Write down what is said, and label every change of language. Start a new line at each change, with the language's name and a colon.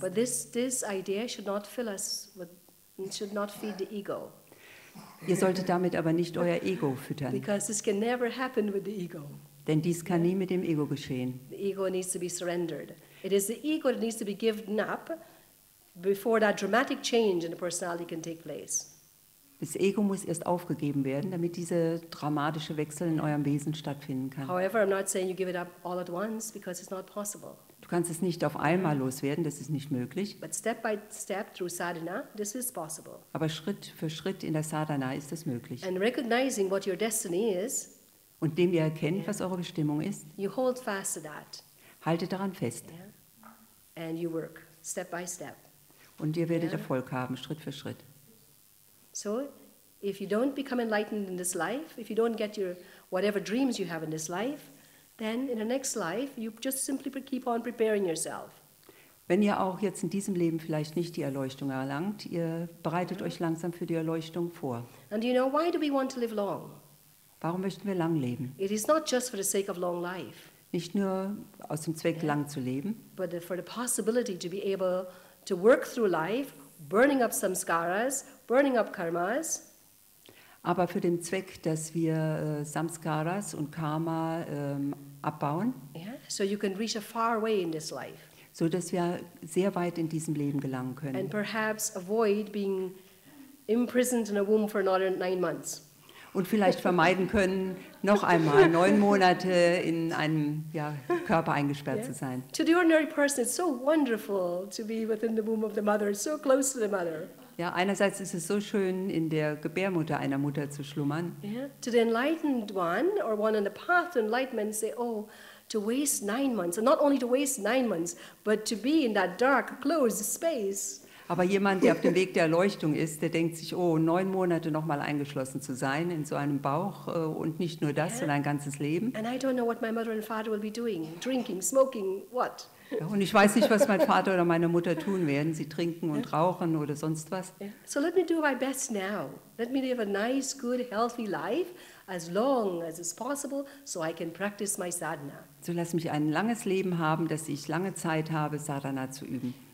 English: But this idea should not fill us with, should not feed the ego.
German: Ihr solltet damit aber nicht euer Ego füttern.
English: Because this can never happen with the ego.
German: Denn dies kann nie mit dem Ego geschehen.
English: The ego needs to be surrendered. It is the ego that needs to be given up before that dramatic change in the personality can take place.
German: Das Ego muss erst aufgegeben werden, damit dieser dramatische Wechsel in eurem Wesen stattfinden kann.
English: However, I'm not saying you give it up all at once, because it's not possible.
German: Du kannst es nicht auf einmal loswerden, das ist nicht möglich.
English: But step by step through sadhana, this is possible.
German: Aber Schritt für Schritt in der Sadhana ist das möglich.
English: And recognizing what your destiny is,
German: und indem ihr erkennt, yeah, was eure Bestimmung ist,
English: you hold fast to that.
German: Haltet daran fest.
English: Yeah. And you work step by step.
German: Und ihr werdet, yeah, Erfolg haben, Schritt für Schritt.
English: So, if you don't become enlightened in this life, if you don't get your whatever dreams you have in this life, then in the next life you just simply keep on preparing yourself.
German: Wenn ihr auch jetzt in diesem Leben vielleicht nicht die Erleuchtung erlangt, ihr bereitet, mm-hmm, euch langsam für die Erleuchtung vor.
English: And you know, why do we want to live long?
German: Warum möchten wir lang leben?
English: It is not just for the sake of long life.
German: Nicht nur aus dem Zweck, yeah, lang zu leben,
English: but for the possibility to be able to work through life, burning up samskaras, burning up karmas.
German: Aber für den Zweck, dass wir Samskaras und Karma abbauen,
English: so you can reach a far way in this life,
German: so dass wir sehr weit in diesem Leben gelangen können,
English: and perhaps avoid being imprisoned in a womb for another 9 months,
German: und vielleicht vermeiden können, noch einmal 9 Monate in einem, ja, Körper eingesperrt, yeah, zu sein.
English: To the ordinary person, it's so wonderful to be within the womb of the mother, so close to the mother.
German: Ja, einerseits ist es so schön, in der Gebärmutter einer Mutter zu schlummern.
English: To the enlightened one or one on the path to enlightenment, say, oh, to waste 9 months, and not only to waste 9 months, but to be in that dark, closed space.
German: Aber jemand, der auf dem Weg der Erleuchtung ist, der denkt sich, oh, 9 Monate nochmal eingeschlossen zu sein in so einem Bauch und nicht nur das, sondern ein ganzes Leben.
English: And I don't know what my mother and father will be doing, drinking, smoking, what?
German: Ja, und ich weiß nicht, was mein Vater oder meine Mutter tun werden. Sie trinken und rauchen oder sonst was.
English: So let me do my best now. Let me live a nice, good, healthy life as long as is possible, so I can practice my sadhana.
German: So lass mich ein langes Leben haben, dass ich lange Zeit habe, Sadhana zu üben.